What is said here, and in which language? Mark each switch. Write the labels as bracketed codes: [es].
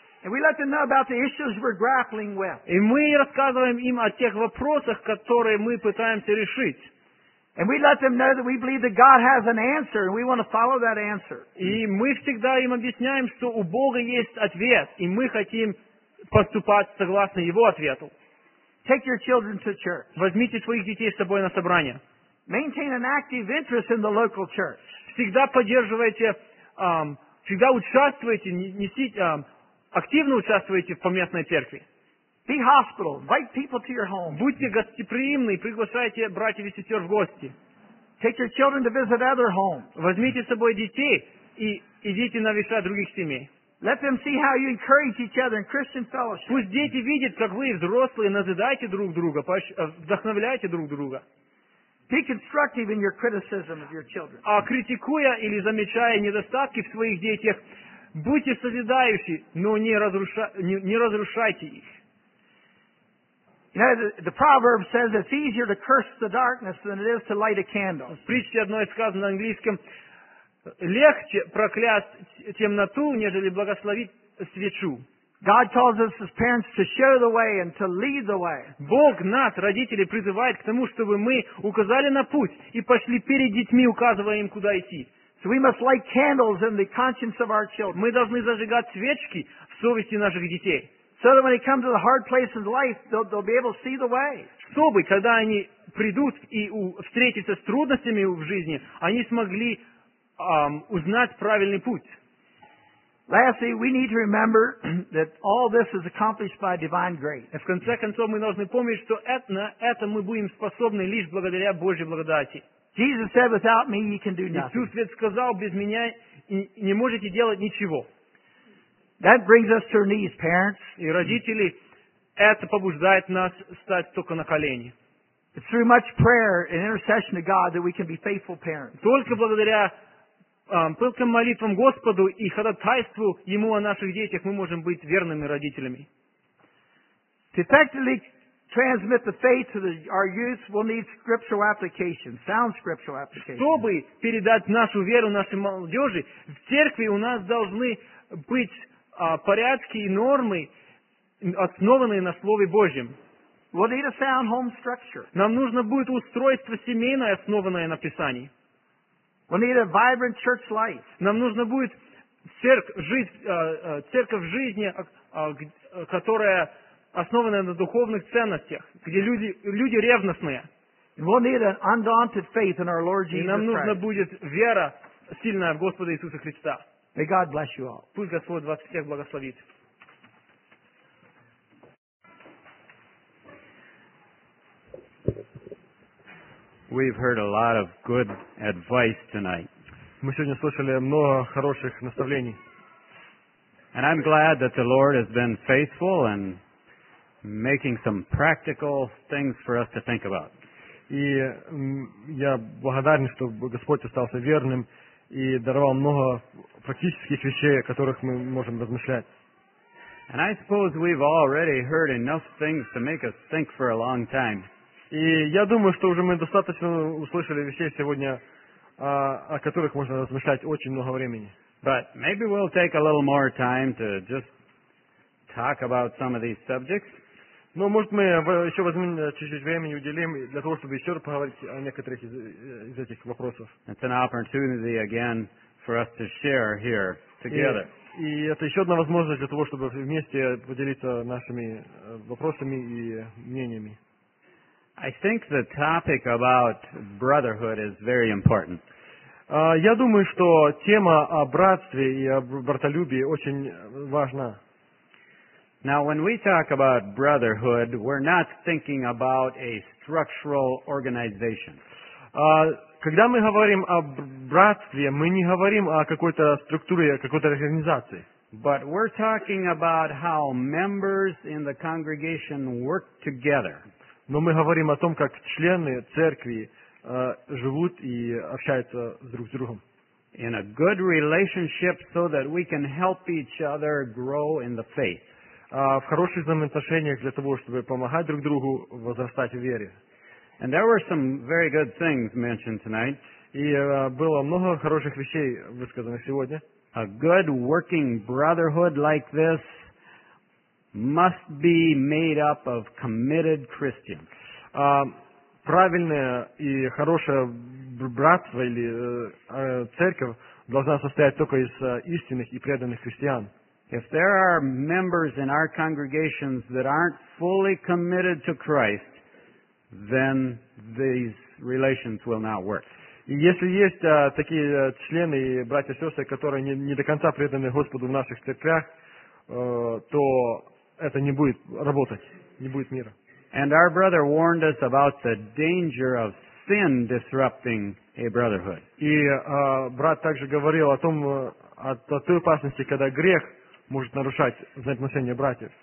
[en] And we let them know about the issues we're grappling with. [ru] И мы рассказываем им о тех вопросах, которые мы пытаемся решить. [en] And we let them know that we believe that God has an answer, and we want to follow that answer. [ru] И мы всегда им объясняем, что у Бога есть ответ, и мы хотим поступать согласно Его ответу. [en] Take your children to church. [ru] Возьмите своих детей с собой на собрание. [en] Maintain an active interest in the local church. [ru] Всегда поддерживайте, всегда участвуйте, активно участвуйте в поместной церкви. [en] Be hospitable. Invite people to your home. [ru] Будьте гостеприимны и приглашайте братьев и сестер в гости. [en] Take your children to visit other homes. [ru] Возьмите с собой детей и идите на веса других семей. [en] Let them see how you encourage each other in Christian fellowship. [ru] Пусть дети видят, как вы, взрослые, назидаете друг друга, вдохновляете друг друга. [en] Be constructive in your criticism of your children. [ru] А критикуя или замечая недостатки в своих детях, будьте созидающи, но не разрушайте их. [en] You know, the proverb says it's easier to curse the darkness than it is to light a candle. [ru] В притче одной сказано на английском: легче проклясть темноту, нежели благословить свечу. [en] God calls us as parents to show the way and to lead the way. [ru] Бог нас, родители, призывает к тому, чтобы мы указали на путь и пошли перед детьми, указывая им, куда идти. [en] So we must light candles in the conscience of our children. [ru] Мы должны зажигать свечки в совести наших детей. [en] So that when they come to the hard places in life, they'll be able to see the way. [ru] Чтобы когда они придут и встретятся с трудностями в жизни, они смогли узнать правильный путь. [en] Lastly, we need to remember that all this is accomplished by divine grace. [ru] В конце концов, мы должны помнить, что на это мы будем способны лишь благодаря Божьей благодати. [en] Jesus said, "Without me, you can do nothing." [ru] Иисус ведь сказал, без меня не можете делать ничего. [en] That brings us to our knees, parents. [ru] И родители, это побуждает нас стать только на колени. [en] It's through much prayer and intercession to God that we can be faithful parents. [ru] Только благодаря пылким молитвам Господу и ходатайству Ему о наших детях мы можем быть верными родителями. [en] To effectively transmit the faith to our youth, we'll need scriptural application, sound scriptural application. [ru] Чтобы передать нашу веру нашей молодежи, в церкви у нас должны быть порядки и нормы, основанные на Слове Божьем. [en] We'll need a sound home structure. [ru] Нам нужно будет устройство семейное, основанное на Писании. [en] We need a vibrant church life. [ru] Нам нужно будет церковь жизни, которая основана на духовных ценностях, где люди ревностные. [en] We need an undaunted faith in our Lord Jesus Christ. [ru] И нам нужно будет вера сильная в Господа Иисуса Христа. [en] May God bless you all. [ru] Пусть Господь вас всех благословит. [en] We've heard a lot of good advice tonight. [ru] Мы сегодня слышали много хороших наставлений. [en] And I'm glad that the Lord has been faithful and making some practical things for us to think about. [ru] И я благодарен, что Господь остался верным и даровал много практических вещей, о которых мы можем размышлять. [en] And I suppose we've already heard enough things to make us think for a long time. [ru] И я думаю, что уже мы достаточно услышали вещей сегодня, о которых можно размышлять очень много времени. [en] But maybe we'll take a little more time to just talk about some of these subjects. [ru] Но может мы еще возьмем чуть-чуть времени и уделим для того, чтобы еще поговорить о некоторых из этих вопросов. [en] It's an opportunity again for us to share here together. [ru] И это еще одна возможность для того, чтобы вместе поделиться нашими вопросами и мнениями. [en] I think the topic about brotherhood is very important. [ru] Я думаю, что тема о братстве и о братолюбии очень важна. [en] Now, when we talk about brotherhood, we're not thinking about a structural organization. [ru] Когда мы говорим о братстве, мы не говорим о какой-то структуре, какой-то организации. [en] But we're talking about how members in the congregation work together. [ru] Но мы говорим о том, как члены церкви живут и общаются друг с другом. [en] In a good relationship so that we can help each other grow in the faith. [ru] В хороших взаимоотношениях для того, чтобы помогать друг другу возрастать в вере. [en] And there were some very good things mentioned tonight. [ru] И было много хороших вещей высказано сегодня. [en] A good working brotherhood like this must be made up of committed Christians. [ru] Правильная и хорошая братство или церковь должна состоять только из истинных и преданных христиан. [en] If there are members in our congregations that aren't fully committed to Christ, then these relations will not work. [ru] И если есть такие члены, братья и сестры, которые не до конца преданы Господу в наших церквях, то это не будет работать, не будет мира. [en] And our brother warned us about the danger of sin disrupting a brotherhood. [ru] И брат также говорил о том, о той опасности, когда грех может нарушать взаимоотношения братьев.